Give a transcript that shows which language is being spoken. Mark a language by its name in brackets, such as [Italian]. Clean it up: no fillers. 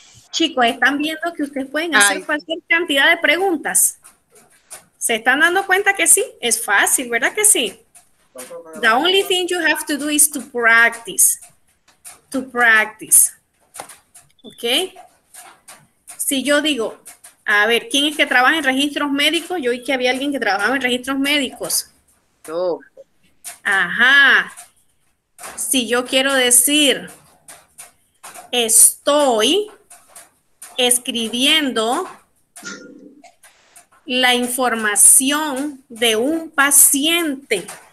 [Spanish] Chicos, ¿están viendo que ustedes pueden hacer cualquier cantidad de preguntas? ¿Se están dando cuenta que sí? Es fácil, ¿verdad que sí? [English] The only thing you have to do is to practice. To practice. ¿Ok? [Spanish] Si yo digo, a ver, ¿quién es que trabaja en registros médicos? Yo vi que había alguien que trabajaba en registros médicos. Yo. Ajá. si yo quiero decir estoy escribiendo la información de un paciente.